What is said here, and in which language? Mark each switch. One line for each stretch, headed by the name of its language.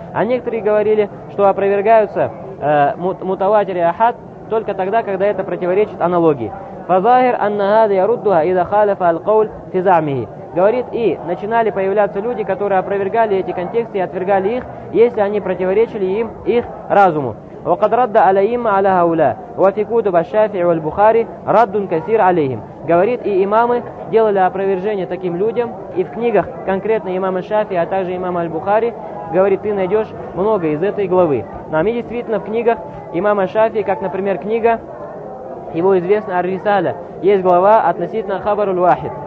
Russian: А некоторые говорили, что опровергаются мутаватири ахад только тогда, когда это противоречит аналогии.
Arabic: «Фазахир анна гады яруддуха и захалиф алькауль физамихи».
Russian: Говорит, и начинали появляться люди, которые опровергали эти контексты и отвергали их, если они противоречили им их разуму.
Arabic: وقد رد على إما على هؤلاء وفي كتب الشافعي والبخاري رد كثير عليهم.
Russian: Говорит, и имамы делали опровержение таким людям, и в книгах конкретно имама Шафии, а также имама Аль-Бухари, говорит, ты найдешь много из этой главы. Нам и действительно в книгах имама Шафии, как, например, книга его известная Ар-Рисаля, есть глава относительно Хабар-уль-Вахид.